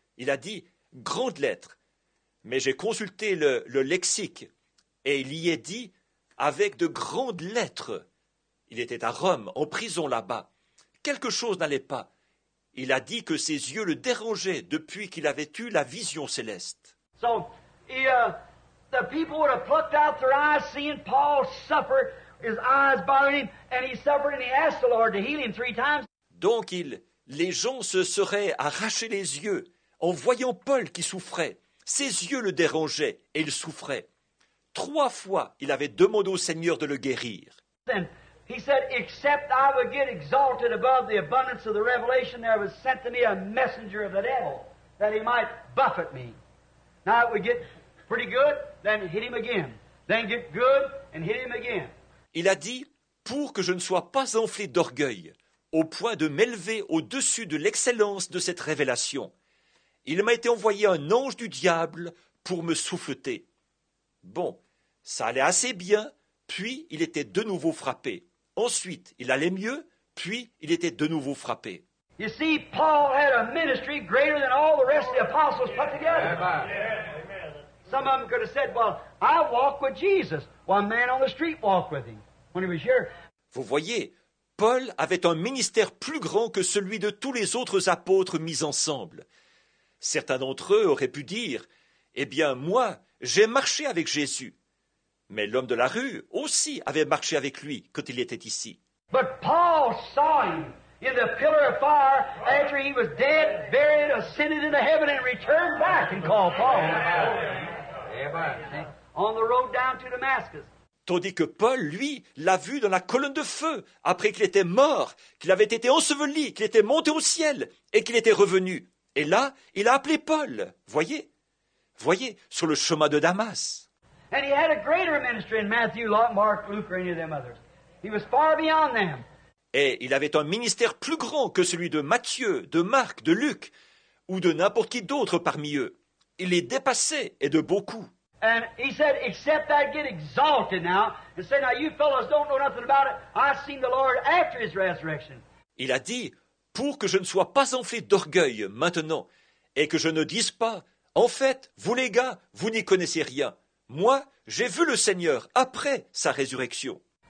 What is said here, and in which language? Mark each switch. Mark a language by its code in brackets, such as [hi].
[fr] Il a dit « Grandes lettres ». Mais j'ai consulté le lexique et il y est dit « Avec de grandes lettres ». Il était à Rome, en prison là-bas. Quelque chose n'allait pas. Il a dit que ses yeux le dérangeaient depuis qu'il avait eu la vision céleste. [en] So, the people would have plucked out their eyes, seeing Paul suffer, his eyes bothering him, and he suffered, and he asked the Lord to heal him three times. [fr] Donc, les gens se seraient arrachés les yeux en voyant Paul qui souffrait. Ses yeux le dérangeaient et il souffrait. Trois fois, il avait demandé au Seigneur de le guérir. [en] Then, he said, except I would get exalted above the abundance of the revelation, there was sent to me a messenger of the devil, that he might buffet me. Now it would get pretty good, then hit him again. Then get good, and hit him again. [fr] Il a dit, pour que je ne sois pas enflé d'orgueil, au point de m'élever au-dessus de l'excellence de cette révélation, il m'a été envoyé un ange du diable pour me souffleter. Bon, ça allait assez bien, puis il était de nouveau frappé. Ensuite, il allait mieux, puis il était de nouveau frappé. [en] You see, Paul had a ministry greater than all the rest of the apostles put together. Some of them could have said, well, I walk with Jesus. One man on the street walked with him when he was here. [fr] Vous voyez, Paul avait un ministère plus grand que celui de tous les autres apôtres mis ensemble. Certains d'entre eux auraient pu dire, eh bien, moi, j'ai marché avec Jésus. Mais l'homme de la rue aussi avait marché avec lui quand il était ici. [en] But Paul saw him in the pillar of fire after he was dead, buried, ascended into heaven and returned back and called Paul. On the road down to Damascus. [fr] Tandis que Paul, lui, l'a vu dans la colonne de feu après qu'il était mort, qu'il avait été enseveli, qu'il était monté au ciel et qu'il était revenu. Et là, il a appelé Paul, voyez, sur le chemin de Damas. [en] And he had a greater ministry than Matthew, Mark, Luke, or any of them others. He was far beyond them. [fr] Et il avait un ministère plus grand que celui de Matthieu, de Marc, de Luc, ou de n'importe qui d'autre parmi eux. Il les dépassait, et de beaucoup. [en] And he said, except I get exalted now, and say, now you fellows don't know nothing about it, I've seen the Lord after his resurrection. [fr] Il a dit, pour que je ne sois pas enflé d'orgueil maintenant, et que je ne dise pas, en fait, vous les gars, vous n'y connaissez rien. Moi, j'ai vu le Seigneur après sa résurrection.